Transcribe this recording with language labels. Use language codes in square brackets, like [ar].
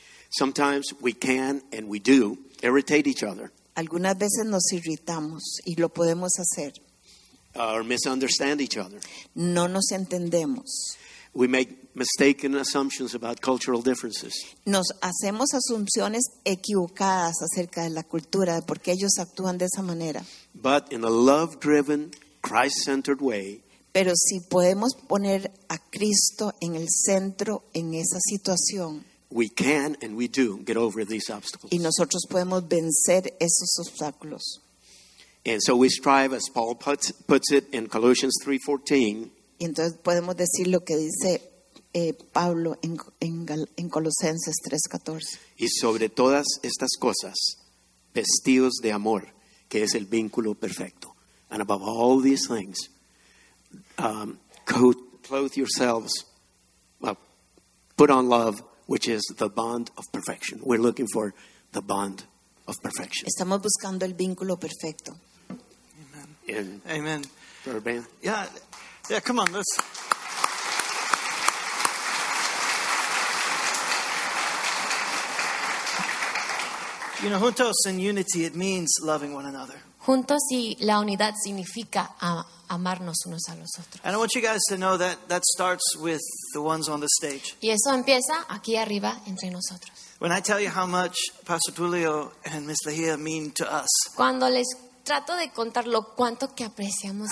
[en] Sometimes we can and we do irritate each other. [es] Algunas veces nos irritamos y lo podemos hacer. [en] Or misunderstand each other. [es] No nos entendemos. [en] We make mistaken assumptions about cultural differences. [es] Nos hacemos asunciones equivocadas acerca de la cultura, de por qué ellos actúan de esa manera. [en] But in a love-driven, Christ-centered way. [es] Pero si podemos poner a Cristo en el centro en esa situación. [en] We can and we do get over these obstacles. [es] Y nosotros podemos vencer esos obstáculos. [en] And so we strive, as Paul puts it in Colossians 3:14. [es] Y entonces podemos decir lo que dice Pablo en Colosenses 3:14. Y sobre todas estas cosas, vestidos de amor, que es el vínculo perfecto. [en] And above all these things, clothe yourselves, put on love, which is the bond of perfection. We're looking for the bond of perfection. [es] Estamos buscando el vínculo perfecto. [en] Amen. For a band. Yeah, come on, let's. You know, [es] juntos [en] in unity, it means loving one another. [es] Juntos y la unidad significa amarnos unos a los otros. [en] And I want you guys to know that starts with the ones on the stage. [es] Y eso empieza aquí arriba entre nosotros. [en] When I tell you how much Pastor Tulio and Miss Lejia mean to us. [es] Cuando les trato de contar lo cuánto que apreciamos